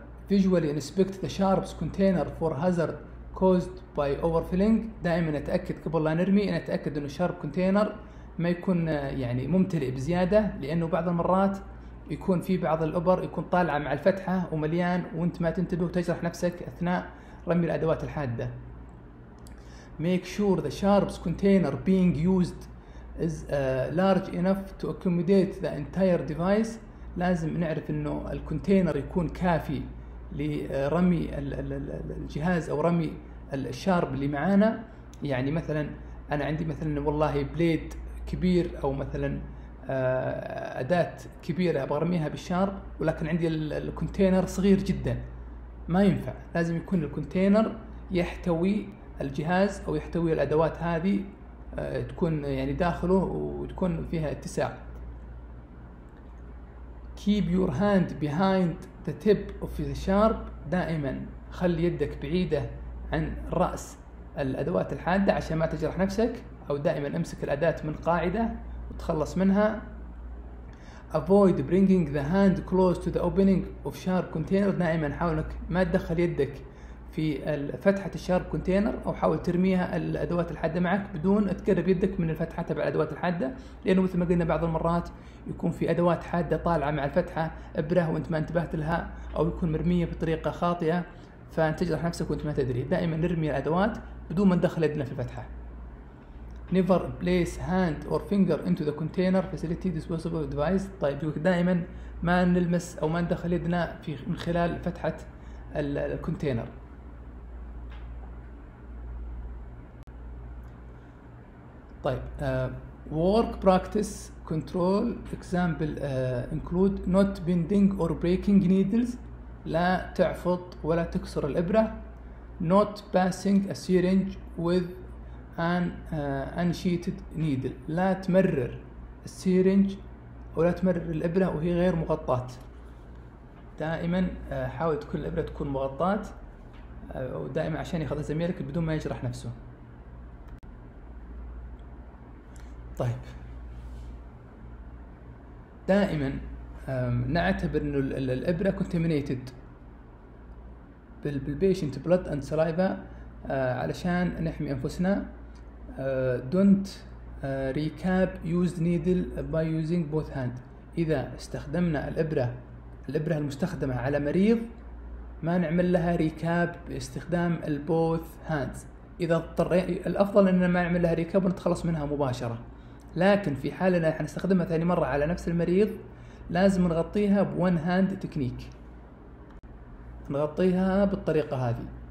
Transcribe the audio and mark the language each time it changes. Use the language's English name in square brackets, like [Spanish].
[English] visually inspect the sharps container for hazard caused by overfilling. [Arabic] دائما أتأكد قبل لا نرمي أن أتأكد أن الشارب كونتينر ما يكون يعني ممتلئ بزيادة، لأنه بعض المرات يكون في بعض الأبر يكون طالعة مع الفتحة ومليان وأنت ما تنتبه وتجرح نفسك أثناء رمي الأدوات الحادة. [English] Make sure the sharps container being used is large enough to accommodate the entire device. [Arabic] لازم نعرف انه الكونتينر يكون كافي لرمي الجهاز او رمي الشارب اللي معانا. يعني مثلا انا عندي مثلا والله بليد كبير او مثلا اداة كبيرة ابغى ارميها بالشارب، ولكن عندي الكونتينر صغير جدا، ما ينفع. لازم يكون الكونتينر يحتوي الجهاز او يحتوي الادوات هذه، تكون يعني داخله وتكون فيها اتساع. [English] keep your hand behind the tip of the sharp. [Arabic] دائما خلي يدك بعيدة عن رأس الادوات الحادة عشان ما تجرح نفسك، او دائما امسك الاداة من قاعدة وتخلص منها. [English] avoid bringing the hand close to the opening of sharp container. [Arabic] دائما حاول انك ما تدخل يدك في فتحة الشارب كونتينر، أو حاول ترميها الأدوات الحادة معك بدون تقرب يدك من الفتحة تبع الأدوات الحادة، لأنه مثل ما قلنا بعض المرات يكون في أدوات حادة طالعة مع الفتحة إبرة وأنت ما انتبهت لها، أو يكون مرمية بطريقة خاطئة فتجرح نفسك وأنت ما تدري. دائما نرمي الأدوات بدون ما ندخل يدنا في الفتحة. [English] never place hand or finger into the container facility disposable device. [Arabic] طيب دائما ما نلمس أو ما ندخل يدنا في من خلال فتحة الكونتينر. طيب [English] work practice control example include not bending or breaking needles. [Arabic] لا تعفط ولا تكسر الإبرة. [English] not passing a syringe with an unsheathed needle. [Arabic] لا تمرر السيرنج ولا تمرر الإبرة وهي غير مغطاة. دائما حاول تكون الإبرة تكون مغطاة، ودائما عشان يأخذ زميلك بدون ما يجرح نفسه. طيب دائما نعتبر انه الابره [English] contaminated [Arabic] بالبيشنت بلود اند سلايفا علشان نحمي انفسنا. [English] dont recap used needle by using both hand. [Arabic] اذا استخدمنا الابره المستخدمه على مريض ما نعمل لها ريكاب باستخدام البوث هاندز. اذا اضطر الافضل اننا ما نعمل لها ريكاب ونتخلص منها مباشره، لكن في حالنا احنا نستخدمها ثاني مرة على نفس المريض لازم نغطيها بون هاند تكنيك، نغطيها بالطريقة هذه.